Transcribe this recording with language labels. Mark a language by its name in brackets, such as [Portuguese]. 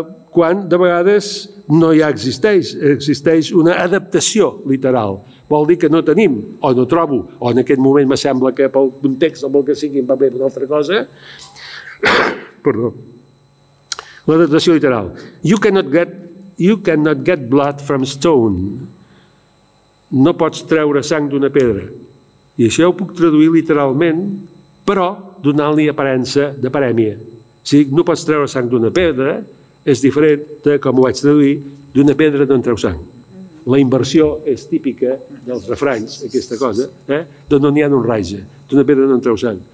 [Catalan] Quan de vegades no hi existeix una adaptació literal. Vol dir que no tenim, o no trobo, o en aquest moment me sembla que pel context o pel que sigui em va bé una altra cosa. Perdó. L'adaptació literal. [English] You cannot get blood from stone. [Catalan] No pots treure sang d'una pedra. I això ho puc traduir literalment, però donant-li aparença de parèmia. Si dic, no pots treure sang d'una pedra, és diferent de, com ho vaig traduir, d'una pedra d'on treu sang. La inversió és típica dels refranys, aquesta cosa, d'on no n'hi ha un raig, d'una pedra d'on treu sang.